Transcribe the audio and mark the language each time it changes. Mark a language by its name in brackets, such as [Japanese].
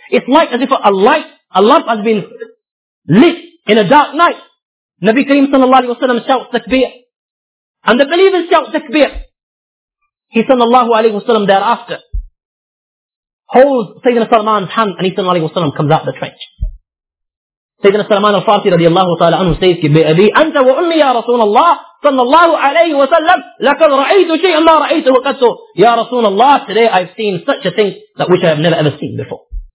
[English] It's like as if a lamp has been lit in a dark night. Nabi Kareem sallallahu alayhi wa sallam shouts takbir. And the believers shout takbir. He sallallahu alayhi wa sallam thereafter holds Sayyidina Salman's hand and he sallallahu alayhi wa sallam comes out of the trench. Sayyidina Salman al-Farsi radiallahu ta'ala anhu says, [Arabic] بِأَبِي أَنْتَ وَأُمِّي يَا رَسُولَ اللَّهِ صَلَّى اللَّهُ عَلَيْهِ وَسَلَّمْ لَكَدْ رَأَيْتُ شَيْءٍ مَا رَأَيْتُ وَقَدْتُ. يَا رَسُولَ اللَّهِ, [English] today I've seen such a thing that which I have never ever seen before.